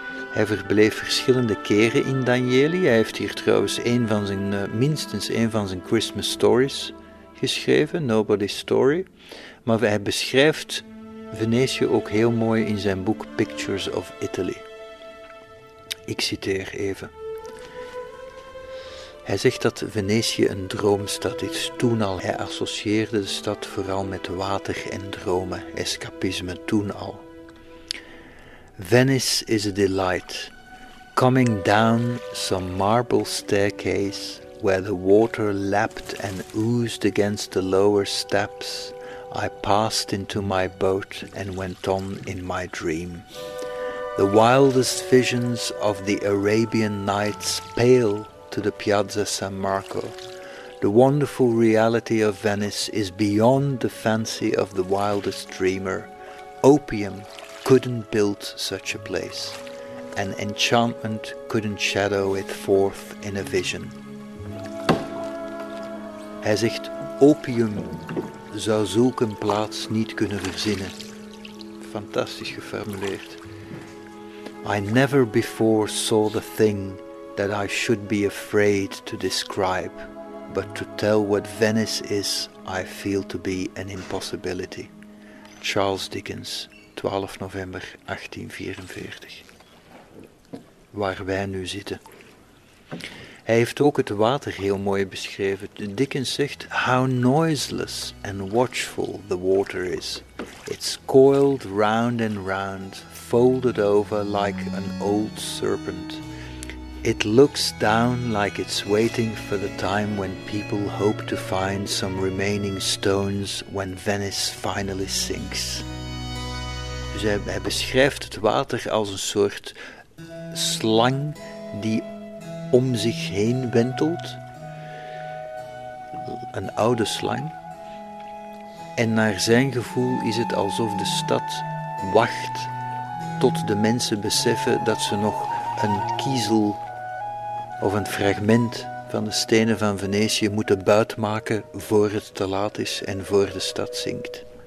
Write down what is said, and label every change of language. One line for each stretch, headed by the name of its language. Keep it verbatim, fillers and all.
Dutch: Hij verbleef verschillende keren in Danieli. Hij heeft hier trouwens een van zijn, uh, minstens een van zijn Christmas stories geschreven, Nobody's Story, maar hij beschrijft Venetië ook heel mooi in zijn boek Pictures of Italy. Ik citeer even. Hij zegt dat Venetië een droomstad is. Toen al, hij associeerde de stad vooral met water en dromen, escapisme toen al.
English: Venice is a delight, coming down some marble staircase where the water lapped and oozed against the lower steps. I passed into my boat and went on in my dream. The wildest visions of the Arabian Nights pale to the Piazza San Marco. The wonderful reality of Venice is beyond the fancy of the wildest dreamer. Opium couldn't build such a place, and enchantment couldn't shadow it forth in a vision.
Dutch: Hij zegt, opium zou zulk een plaats niet kunnen verzinnen. Fantastisch geformuleerd.
English: I never before saw the thing that I should be afraid to describe, but to tell what Venice is, I feel to be an impossibility.
Dutch: Charles Dickens, twaalf november achttien vierenveertig. Waar wij nu zitten. Hij heeft ook het water heel mooi beschreven. Dickens zegt,
English: how noiseless and watchful the water is. It's coiled round and round, folded over like an old serpent. It looks down like it's waiting for the time when people hope to find some remaining stones when Venice finally sinks.
Dutch: Dus hij, hij beschrijft het water als een soort slang die om zich heen wentelt, een oude slang, en naar zijn gevoel is het alsof de stad wacht tot de mensen beseffen dat ze nog een kiezel of een fragment van de stenen van Venetië moeten buitmaken voor het te laat is en voor de stad zinkt.